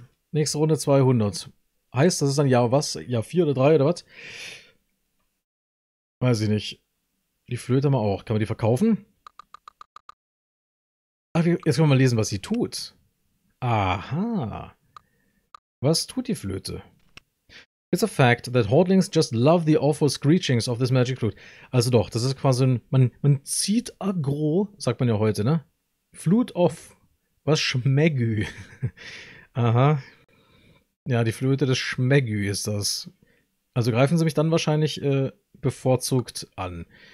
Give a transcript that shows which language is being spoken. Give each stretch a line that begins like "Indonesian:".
German: Nächste Runde 200. Heißt, das ist dann Jahr was? Jahr 4 oder 3 oder was? Weiß ich nicht. Die Flöte haben wir auch. Kann man die verkaufen? Ach, jetzt können wir mal lesen, was sie tut. Aha. Was tut die Flöte?
English: It's a fact that hordlings just love the awful screechings of this magic flute.
German: Also doch, das ist quasi ein... Man zieht aggro, sagt man ja heute, ne? Flute of... Was? Schmeggy. Aha. Ja, die Flöte des Schmeggy ist das. Also greifen sie mich dann wahrscheinlich bevorzugt an.